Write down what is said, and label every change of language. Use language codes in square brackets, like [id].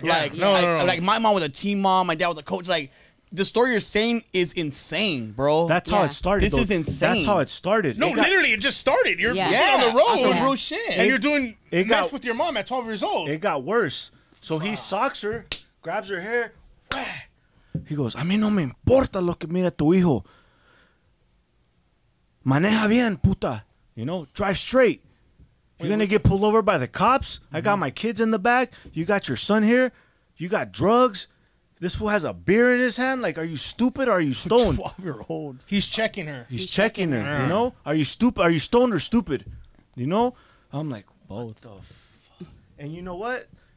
[en] Like, my mom was a team mom, my dad was a coach, like, the story you're saying is insane, bro. That's how it started. This though. Is insane. That's how it started. No, literally, it just started. You're on the road. That's real shit. And you're doing mess with your mom at 12 years old. It got worse. So he socks her, grabs her hair. Wah. He goes, [es] a mí no me importa lo que mira tu hijo. Maneja bien, puta. [en] You know, drive straight. You're going to get pulled over by the cops? Mm-hmm. I got my kids in the back. You got your son here. You got drugs. This fool has a beer in his hand. Like, are you stupid? Or are you stoned? 12-year-old. He's checking her. He's checking her. You know? Are you stupid? Are you stoned or stupid? You know? I'm like, both. What the fuck? And you know what?